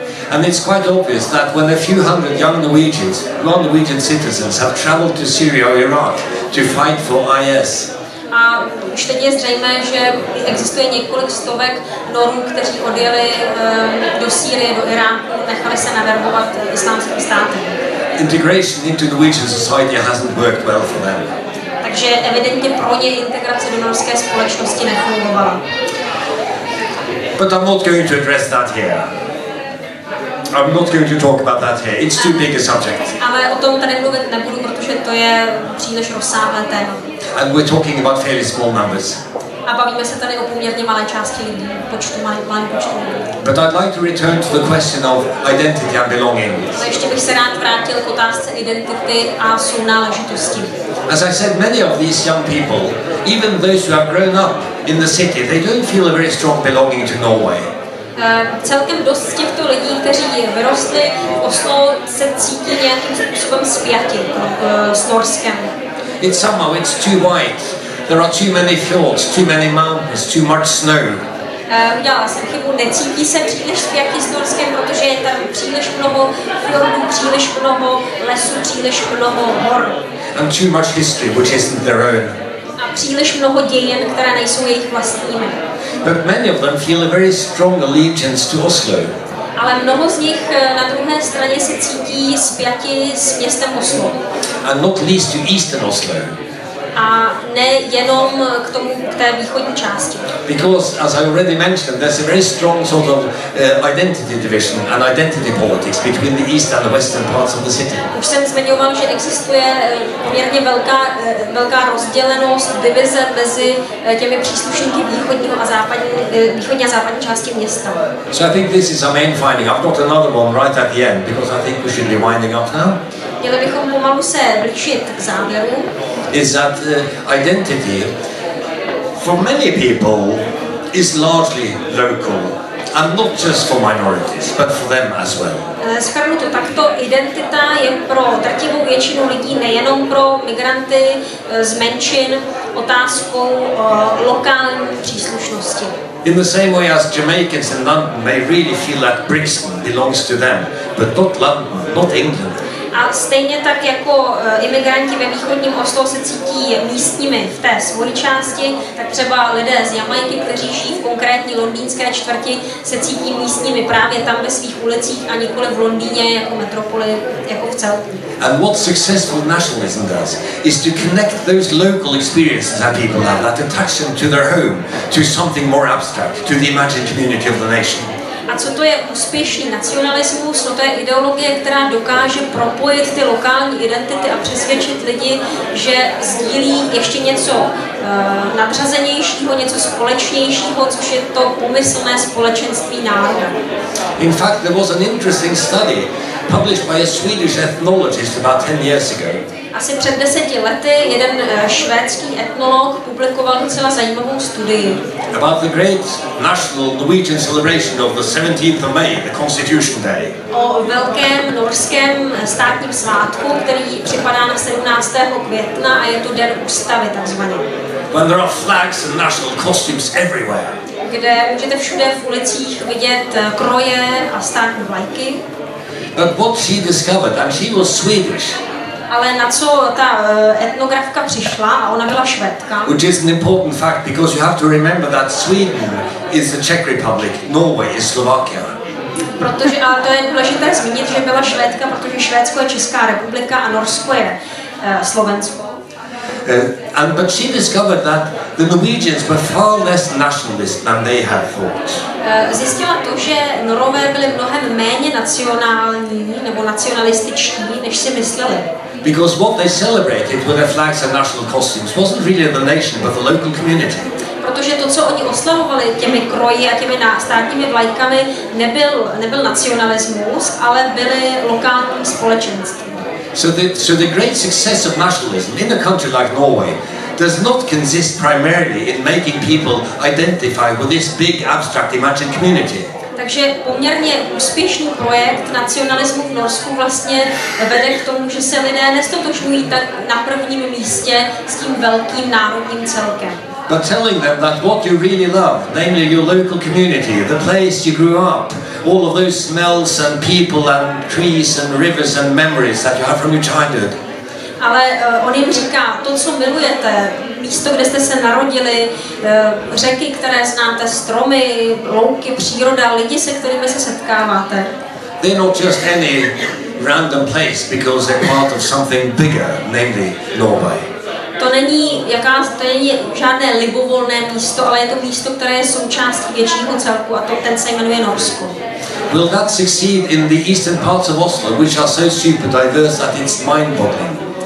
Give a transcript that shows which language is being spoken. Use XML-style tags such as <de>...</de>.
<en>And it's quite obvious that when a few hundred young Norwegians, non-Norwegian citizens, have traveled to Syria or Iraq to fight for IS.</en> <cs>A už teď je zřejmé, že existuje několik stovek Norů, kteří odjeli do Sýrie, do Iráku, nechali se navrhovat islámským státem.</cs> <en>Integration into Norwegian society hasn't worked well for them.</en> <cs>takže evidentně pro ně integrace do norské společnosti nefungovala.</cs> <en>But I'm not going to address that here. I'm not going to talk about that here. It's too big a subject.</en> <cs>Ale o tom tady mluvit nebudu, protože to je příliš rozsáhlé téma.</cs> <en>And we're talking about fairly small numbers.</en> <cs>A bavíme se tady o poměrně malé části lidí, počtu malé počtu.</cs> <en>But I'd like to return to the question of identity and belonging.</en> <cs>Ještě bych se rád vrátil k otázce identity a sounáležitosti.</cs> <en>As I said, many of these young people, even those who have grown up in the city, they don't feel a very strong belonging to Norway.</en> <cs>Celkem dost těchto lidí, kteří vyrostli v Oslo, se cítí nějakým způsobem spjati s Norskem.</cs> <en>It's somehow it's too white. There are too many fjords, too many mountains, too much snow.</en> <cs>Udělala jsem chybu, necítí se příliš spjati s Norskem, protože je tam příliš mnoho fjordů, příliš mnoho lesů, příliš mnoho hor.</cs> <en>And too much history, which isn't their own.</en> <cs>A příliš mnoho dějin, které nejsou jejich vlastními.</cs> <en>But many of them feel a very strong allegiance to Oslo.</en> <cs>Ale mnoho z nich na druhé straně se cítí spjati s městem Oslo.</cs> <en>And not least to eastern Oslo.</en> <cs>A ne jenom k tomu, k té východní části.</cs> <en>Because, as I already mentioned, there's a very strong sort of identity division and identity politics between the east and the western parts of the city.</en> <cs>Už jsem zmiňoval, že existuje poměrně velká rozdělenost, divize mezi těmi příslušníky východní a západní části města.</cs> <en>So I think this is our main finding. I've got another one right at the end, because I think we should be winding up now.</en> <cs>Měli bychom pomalu se blížit k závěru.</cs> <en>Is that identity for many people is largely local, and not just for minorities, but for them as well.</en> <cs>Shrnu to takto, identita je pro drtivou většinu lidí, nejenom pro migranty z menšin, otázkou lokální příslušnosti.</cs> <en>In the same way as Jamaicans in London may really feel that Brixton belongs to them, but not London, not England.</en> <cs>A stejně tak jako imigranti ve východním Oslo se cítí místními v té svojí části, tak třeba lidé z Jamajky, kteří žijí v konkrétní londýnské čtvrti, se cítí místními právě tam ve svých ulicích a nikoli v Londýně jako metropoli, jako v celku.</cs> <en>And what successful nationalism does is to connect those local experiences that people have, that attachment to their home, to something more abstract, to the imagined community of the nation.</en> <cs>A co to je úspěšný nacionalismus? No to je ideologie, která dokáže propojit ty lokální identity a přesvědčit lidi, že sdílí ještě něco nadřazenějšího, něco společnějšího, což je to pomyslné společenství národa.</cs> <en>In fact, there was an interesting study published by a Swedish ethnologist about 10 years ago.</en> <cs>Asi před 10 lety jeden švédský etnolog publikoval docela zajímavou studii.</cs> <en>About the great national Norwegian celebration of the 17th of May, the Constitution Day.</en> <cs>O velkém norském státním svátku, který připadá na 17. května a je to den ústavy takzvaně.</cs> <en>When there are flags and national costumes everywhere.</en> <cs>Kde můžete všude v ulicích vidět kroje a státní vlajky.</cs> <en>But what she discovered, and she was Swedish.</en> <cs>Ale na co ta etnografka přišla, a ona byla Švédka.</cs> <en>Which is an important fact, because you have to remember that Sweden is the Czech Republic, Norway is Slovakia.</en> <cs>Protože, ale to je důležité zmínit, že byla Švédka, protože Švédsko je Česká republika a Norsko je Slovensko.</cs> <en>But she discovered that the Norwegians were far less nationalist than they had thought.</en> <cs>Zjistila to, že Norové byli mnohem méně nacionální nebo nacionalističtí, než si mysleli.</cs> <en>Because what they celebrated with their flags and national costumes wasn't really the nation, but the local community.</en> <cs>Protože to, co oni oslavovali těmi kroji a těmi státními vlajkami, nebyl nacionalismus, ale byly lokální společenství.</cs> <en>So the great success of nationalism in a country like Norway does not consist primarily in making people identify with this big abstract imagined community.</en> <cs>Takže poměrně úspěšný projekt nacionalismu v Norsku vlastně vede k tomu, že se lidé nestotožňují tak na prvním místě s tím velkým národním celkem.</cs> <en>But telling them that what you really love, namely your local community, the place you grew up, all of those smells and people and trees and rivers and memories that you have from your childhood.</en> <cs>Ale on jim říká, to, co milujete, místo, kde jste se narodili, řeky, které znáte, stromy, louky, příroda, lidi, se kterými se setkáváte.</cs> <en>They're not just any random place, because they're part of something bigger, namely Norway.</en> <cs>To není žádné libovolné místo, ale je to místo, které je součástí většího celku, a to ten se jmenuje Norsko.</cs> <en>Will that succeed in the eastern parts of Oslo, which are so super diverse that it's mind-boggling?</en>